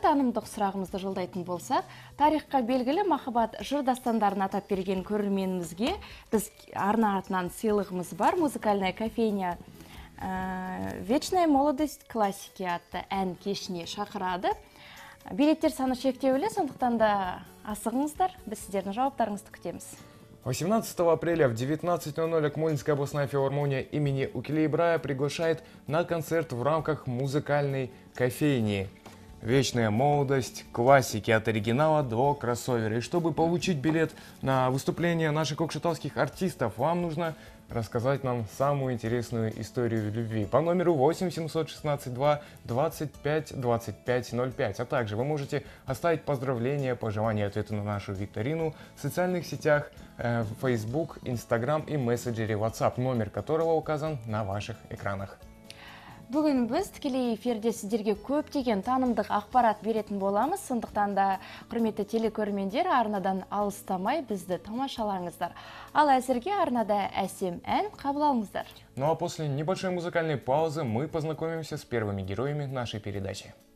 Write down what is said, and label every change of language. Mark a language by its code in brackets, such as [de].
[kk] Танымдық сұрағымызды жолдайтын болсақ, тарихқа белгілі махаббат жыр дастандарын атап берген көрерменімізге біз арна атынан сыйлығымыз бар. Музыкальная кофейня «Вечная молодость» классики атты ән кешіне шақырады. Билеттер саны шектеулі, сондықтан да асығыңыздар. Біз сіздердің жауаптарыңызды күтеміз. [ru] 18 апреля в 19:00 Акмолинская областная филармония имени Укилей Брая приглашает на концерт в рамках музыкальной кофейни. Вечная молодость, классики от оригинала до кроссовера. И чтобы получить билет на выступление наших кокшетавских артистов, вам нужно рассказать нам самую интересную историю любви по номеру 8-716-2-25-25-05. А также вы можете оставить поздравления, пожелания, ответы на нашу викторину в социальных сетях Facebook, Instagram и мессенджере WhatsApp, номер которого указан на ваших экранах. [kk] Бүгін біз тікелей эфирде сіздерге көптеген танымдық ақпарат беретін боламыз. Сондықтан да құрметті телекөрермендер, арнадан алыстамай бізді тамашалаңыздар. Ал әзірге арнада әсем ән қабыл алыңыздар. [ru] Ну а после небольшой музыкальной паузы мы познакомимся с первыми героями нашей передачи.